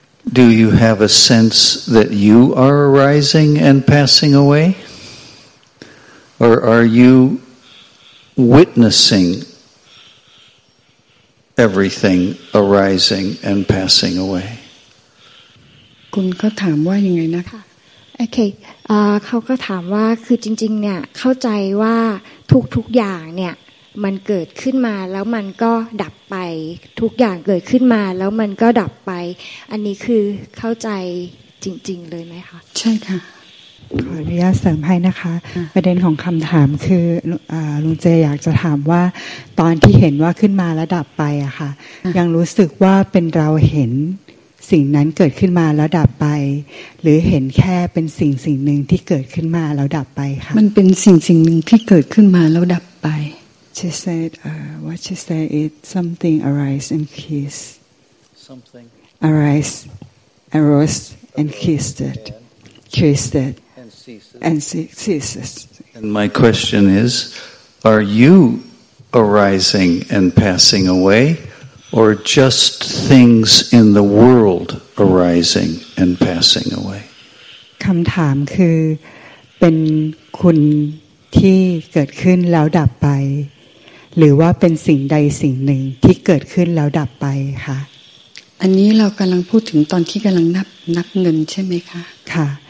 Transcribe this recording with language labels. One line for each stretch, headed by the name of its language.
English: Do you have a sense that you are arising and passing away? Or are you witnessing everything arising and passing away?
Thai: คุณก็ถามว่ายังไงนะคะ โอเคเขาก็ถามว่าคือจริงๆเนี่ยเข้าใจว่าทุกอย่างเนี่ยมันเกิดขึ้นมาแล้วมันก็ดับไปทุกอย่างเกิดขึ้นมาแล้วมันก็ดับไปอันนี้คือเข้าใจจริงๆเลยไหมคะ ใช่ค่ะขออนุญาตเสริมให้นะคะประเด็นของคำถามคือลุงเจอยากจะถามว่าตอนที่เห็นว่าขึ้นมาแล้วดับไปอะค่ะยังรู้สึกว่าเป็นเราเห็นสิ่งนั้นเกิดขึ้นมาแล้วดับไปหรือเห็นแค่เป็นสิ่งหนึ่งที่เกิดขึ้นมาแล้วดับไปค่ะ มันเป็นสิ่งหนึ่งที่เกิดขึ้นมาแล้วดับไป
English: She said, what she said is something arise and kiss. Something. Arose and kissed it. Kissed it. And ceases. And ceases. And my question is, are you arising and passing away, or just things in the world arising and passing away?
Thai: คำถามคือเป็นคุณที่เกิดขึ้นแล้วดับไปหรือว่าเป็นสิ่งใดสิ่งหนึ่งที่เกิดขึ้นแล้วดับไปคะ อันนี้เรากำลังพูดถึงตอนที่กำลังนับเงินใช่ไหมคะ ค่ะ